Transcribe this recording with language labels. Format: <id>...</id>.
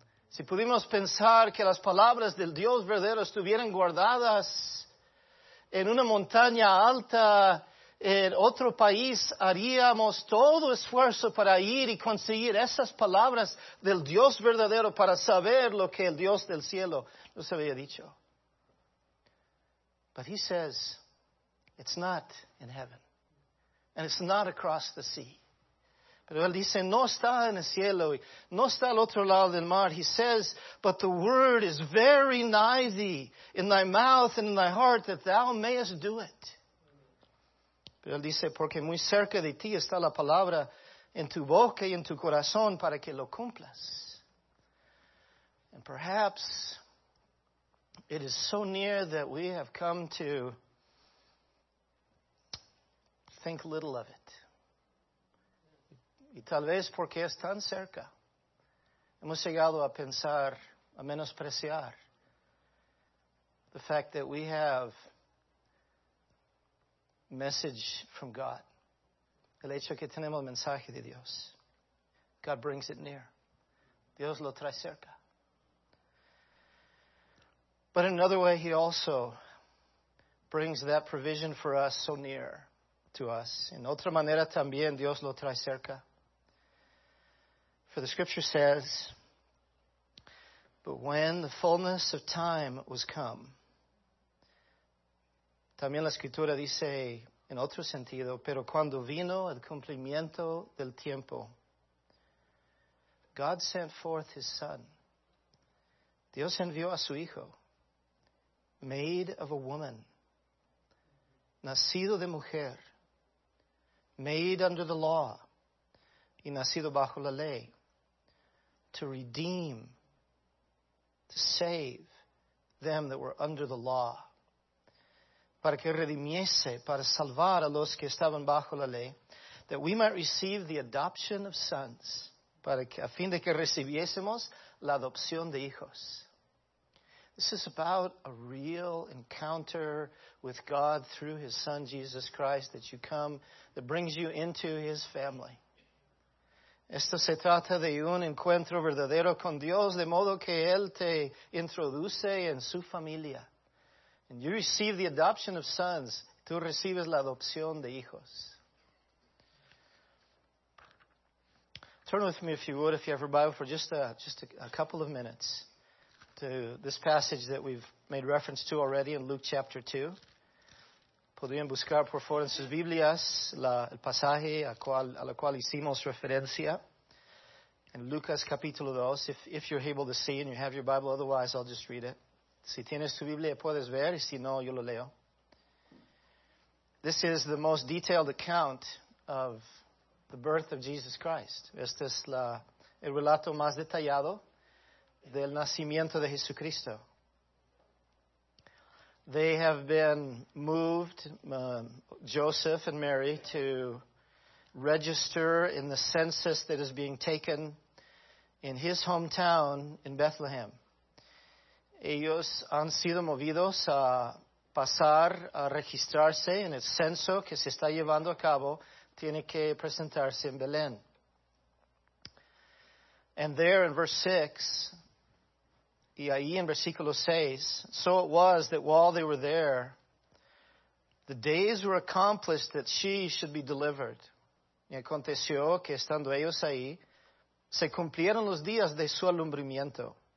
<es>Si pudimos pensar que las palabras del Dios verdadero estuvieran guardadas en una montaña alta, en otro país, haríamos todo esfuerzo para ir y conseguir esas palabras del Dios verdadero para saber lo que el Dios del cielo nos había dicho.</es> <en>But he says, it's not in heaven. And it's not across the sea.</en> <es>Pero él dice, no está en el cielo, no está al otro lado del mar.</es> <en>He says, but the word is very nigh thee, in thy mouth and in thy heart, that thou mayest do it.</en> <es>Pero él dice, porque muy cerca de ti está la palabra, en tu boca y en tu corazón, para que lo cumplas.</es> <en>And perhaps it is so near that we have come to think little of it.</en> <es>Y tal vez porque es tan cerca, hemos llegado a pensar, a menospreciar</es> <en>the fact that we have message from God.</en> <es>El hecho que tenemos mensaje de Dios.</es> <en>God brings it near.</en> <es>Dios lo trae cerca.</es> <en>But in another way, he also brings that provision for us so near to us.</en> <es>En otra manera también Dios lo trae cerca.</es> <en>For the scripture says, but when the fullness of time was come.</en> <es>También la escritura dice en otro sentido, pero cuando vino el cumplimiento del tiempo,</es> <en>God sent forth his son.</en> <es>Dios envió a su hijo,</es> <en>made of a woman,</en> <es>nacido de mujer,</es> <en>made under the law,</en> <es>y nacido bajo la ley.</es> <en>To redeem, to save them that were under the law.</en> <es>Para que redimiese, para salvar a los que estaban bajo la ley.</es> <en>That we might receive the adoption of sons.</en> <es>Para que, a fin de que recibiésemos la adopción de hijos.</es> <en>This is about a real encounter with God through his son Jesus Christ that you come, that brings you into his family.</en> <es>Esto se trata de un encuentro verdadero con Dios, de modo que Él te introduce en su familia.</es> <en>And you receive the adoption of sons.</en> <es>Tú recibes la adopción de hijos.</es> <en>Turn with me, if you would, if you have a Bible, for just a couple of minutes to this passage that we've made reference to already in Luke chapter 2.</en> <es>Podrían buscar, por favor, en sus Biblias el pasaje a la cual hicimos referencia.</es> <en>In Lucas capítulo 2, if you're able to see and you have your Bible, otherwise I'll just read it.</en> <es>Si tienes tu Biblia, puedes ver, y si no, yo lo leo.</es> <en>This is the most detailed account of the birth of Jesus Christ.</en> <es>Este es el relato más detallado del nacimiento de Jesucristo.</es> <en>They have been moved, Joseph and Mary, to register in the census that is being taken in his hometown in Bethlehem.</en> <es>Ellos han sido movidos a pasar a registrarse en el censo que se está llevando a cabo. Tiene que presentarse en Belén.</es> <en>And there in verse 6,</en> <es>y ahí en versículo 6,</es> <en>so it was that while they were there, the days were accomplished that she should be delivered.</en> <es>Y aconteció que estando ellos ahí, se cumplieron los días de su alumbramiento.</es>